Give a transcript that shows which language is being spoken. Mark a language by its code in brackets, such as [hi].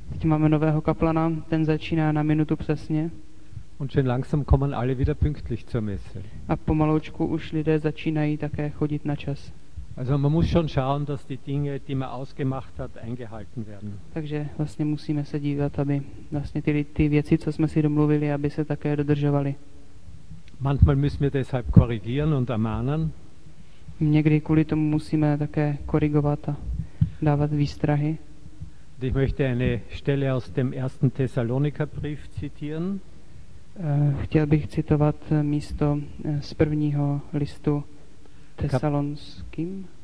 [cs] Teď máme nového kaplana, ten začíná na minutu přesně. [de] Und schon langsam kommen alle wieder pünktlich zur Messe. [cs] A pomaloučku už lidé začínají také chodit na čas. [de] Also man muss schon schauen, dass die Dinge, die man ausgemacht hat, eingehalten werden. [cs] Takže vlastně musíme se dívat, aby vlastně ty věci, co jsme si domluvili, aby se také dodržovaly. [de] Manchmal müssen wir deshalb korrigieren und ermahnen. [cs] Někdy kvůli tomu musíme také korigovat a dávat výstrahy. [de] Ich möchte eine Stelle aus dem ersten Thessalonikerbrief zitieren. [cs] Chtěl bych citovat místo z prvního listu Tesalonským.